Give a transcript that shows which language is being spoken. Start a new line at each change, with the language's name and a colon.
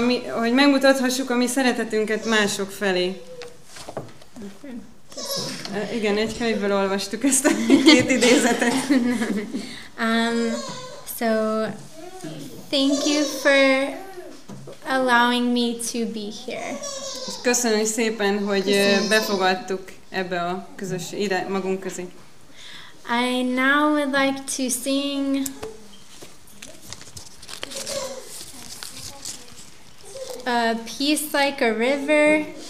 Hungarian: Hogy megmutathassuk a mi szeretetünket mások felé. Igen, egy könyvből olvastuk ezt a két idézetet.
English: So thank you for allowing me to be here.
Hungarian: Köszönöm szépen, hogy befogadtuk ebbe a közös ide magunk közé.
English: I now would like to sing. A peace like a river.